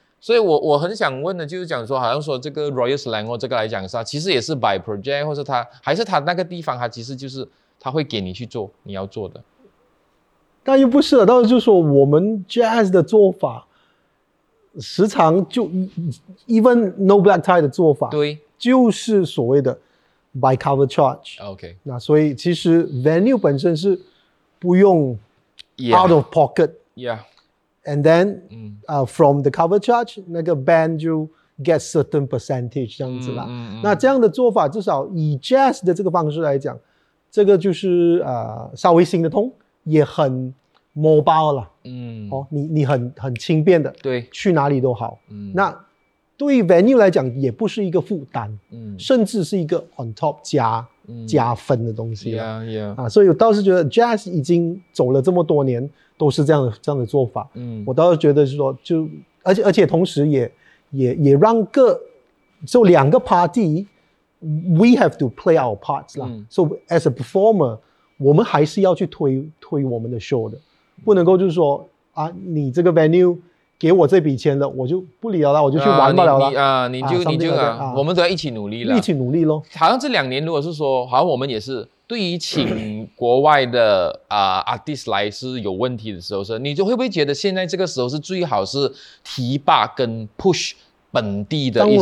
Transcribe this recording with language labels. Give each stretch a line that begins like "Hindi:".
Chinese: 所以我很想问的就是讲说好像说这个 Royal Selangor 这个来讲是其实也是 by project， 或是他还是他那个地方他其实就是他会给你去做你要做的，但又不是了。当然就是说我们 jazz 的做法时常就
English: even no black tie
Chinese: 的做法，对，就是所谓的 by cover charge。
English: OK，
Chinese: 那所以其实 venue 本身是不用 out of pocket，
English: yeah and then from the cover charge 那个 band 就 get certain percentage
Chinese: 这样子啦、嗯、那这样的做法至少以 jazz 的这个方式来讲，这个就是稍微行得通，也很 mobile 了，嗯，哦，你很轻便的，对，去哪里都好，嗯，那对于 venue 来讲也不是一个负担，嗯，甚至是一个 on top 加分的东西了，嗯、yeah, yeah. 啊，所以我倒是觉得 jazz 已经走了这么多年都是这样的做法，嗯，我倒是觉得是说就而且同时也让个就两个 party。
English: We have to play our parts、嗯、 So as a performer,
Chinese: 我们还是要去推我们的 show 的，不能够就是说啊，你这个 venue 给我这笔钱了，我就不理了，我就去玩不了了。你就啊，我们都要一起努力了，一起努力咯。好像这两年，如果是说，好像我们也是对于请国外的artist 来是有问题的时候，是你就会不会觉得现在这个时候是最好是提拔跟 push 本地的一些？